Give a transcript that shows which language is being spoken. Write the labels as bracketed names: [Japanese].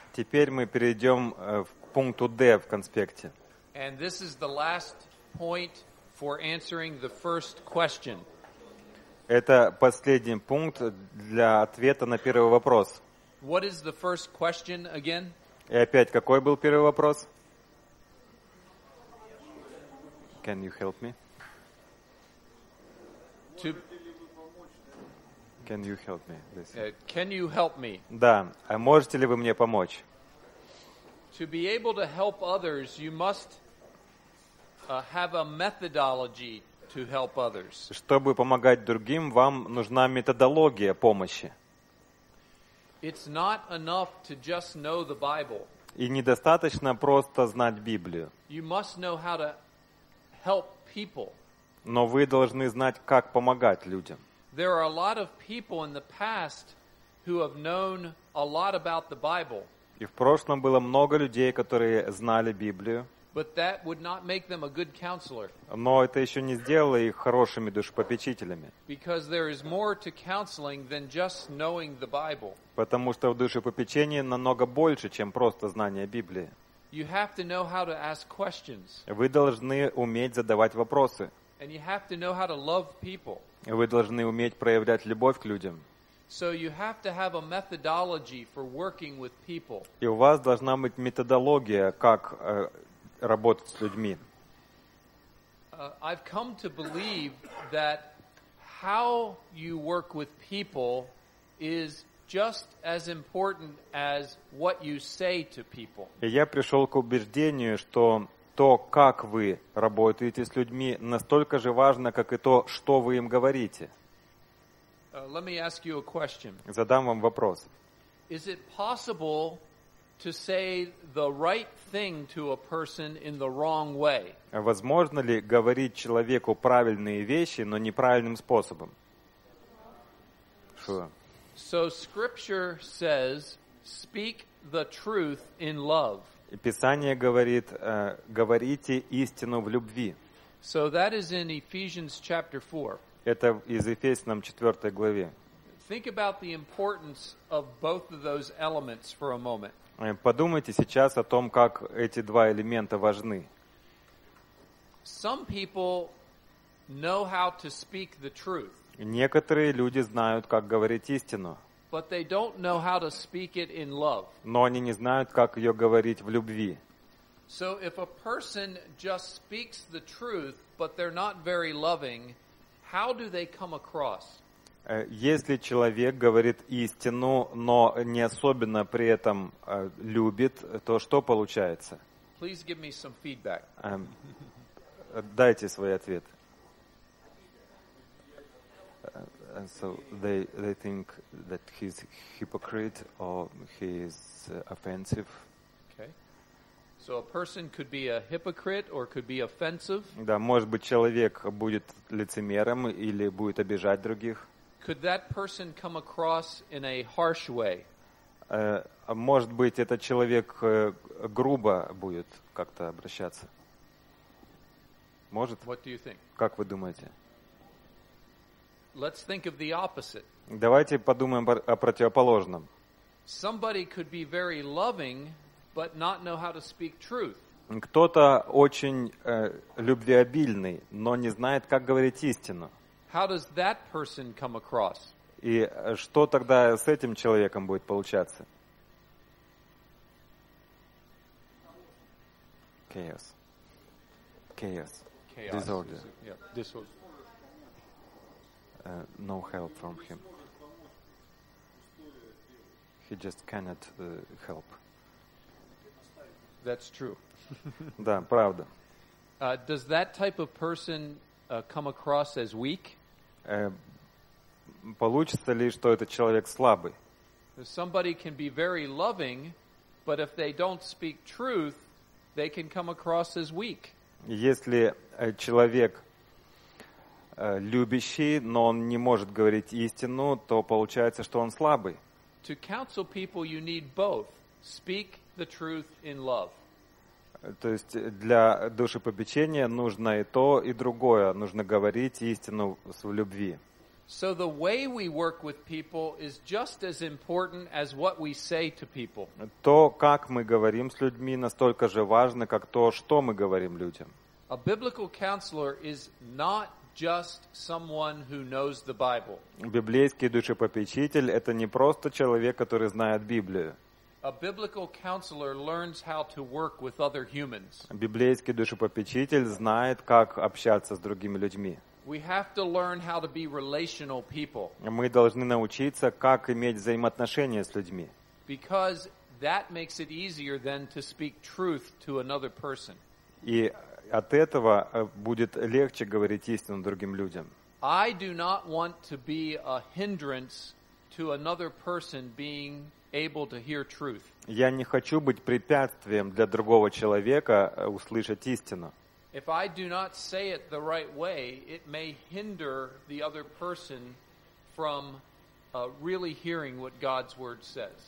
[Russian] Теперь мы перейдем в пункту D в конспекте. [English] And this is the last point for answering the first question. [Russian] Это последний пункт для ответа на первый вопрос. [English] What is the first question again? [Russian] И опять, какой был первый вопрос? [English] Can you help me? Can you help me? Can you help me? [Russian] Да. А можете ли вы мне помочь? [English] To be able to help others, you must have a methodology to help others. [Russian] Чтобы помогать другим, вам нужна методология помощи. [English] It's not enough to just know the Bible. [Russian] И недостаточно просто знать Библию. [English] You must know how to help people. [Russian] Но вы должны знать, как помогать людям. [English] There are a lot of people in the past who have known a lot about the Bible. [Russian] И в прошлом было много людей, которые знали Библию. [English] But that would not make them a good counselor. [Russian] Но это еще не сделало их хорошими душепопечителями. [English] Because there is more to counseling than just knowing the Bible. [Russian] Потому что в душепопечении намного больше, чем просто знание Библии. [English] You have to know how to ask questions. [Russian] Вы должны уметь задавать вопросы. [English] And you have to know how to love people. [Russian] Вы должны уметь проявлять любовь к людям. [English] So you have to have a methodology for working with people. [Russian] И у вас должна быть методология, как работать с людьми. [English] I've come to believe that how you work with people is just as important as what you say to people. [Russian] И я пришел к убеждению, что то, как вы работаете с людьми, настолько же важно, как и то, что вы им говорите. [English] Let me ask you a question. [Russian] Задам вам вопрос. [English] Is it possible to say the right thing to a person in the wrong way? [Russian] Возможно ли говорить человеку правильные вещи, но неправильным способом? [English] So scripture says, speak the truth in love. [Russian] Писание говорит, говорите истину в любви. [English] So that is in Ephesians chapter 4. [Russian] Это из Ефесянам 4 главе. [English] Think about the importance of both of those elements for a moment. [Russian] Подумайте сейчас о том, как эти два элемента важны. [English] Some people know how to speak the truth. [Russian] Некоторые люди знают, как говорить истину. [English] But they don't know how to speak it in love. [Russian] Но они не знают, как ее говорить в любви. [English] So if a person just speaks the truth, but they're not very loving, how do they come across? [Russian] Если человек говорит истину, но не особенно при этом любит, то что получается? [English] Please give me some feedback. [Russian] Дайте свой ответ. [English] So they think that he's a hypocrite or he is offensive. Okay. So a person could be a hypocrite or could be offensive. [Russian] Да, может быть, человек будет лицемером или будет обижать других. [English] Could that person come across in a harsh way? [Russian] Может быть, этот человек грубо будет как-то обращаться. Может? [English] What do you think? [Russian] Как вы думаете? [English] Let's think of the opposite. [Russian] Давайте подумаем о противоположном. [English] Somebody could be very loving, but not know how to speak truth. [Russian] Кто-то очень любвеобильный, но не знает, как говорить истину. [English] How does that person come across? [Russian] И что тогда с этим человеком будет получаться? [English] Chaos. Chaos. Disorder. Yeah, disorder. No help from him. He just cannot help. That's true. [Russian] Да, правда. [English] Does that type of person come across as weak? [Russian] Получится ли, что этот человек слабый? [English] Somebody can be very loving, but if they don't speak truth, they can come across as weak. [Russian] Если человек любящий, но он не может говорить истину, то получается, что он слабый. [English] To counsel people, you need both. Speak the truth in love. [Russian] То есть для душепопечения нужно и то, и другое. Нужно говорить истину в любви. [English] So the way we work with people is just as important as what we say to people. [Russian] То, как мы говорим с людьми, настолько же важно, как то, что мы говорим людям. [English] A biblical counselor is not just someone who knows the Bible. [Russian] Библейский душепопечитель — это не просто человек, который знает Библию. [English] A biblical counselor learns how to work with other humans. [Russian] Библейский душепопечитель знает, как общаться с другими людьми. [English] We have to learn how to be relational people. [Russian] Мы должны научиться, как иметь взаимоотношения с людьми. [English] Because that makes it easier then to speak truth to another person. [Russian] И от этого будет легче говорить истину другим людям. [English] I do not want to be a hindrance to another person being able to hear truth. [Russian] Я не хочу быть препятствием для другого человека услышать истину. [English] If I do not say it the right way, it may hinder the other person from really hearing what God's word says.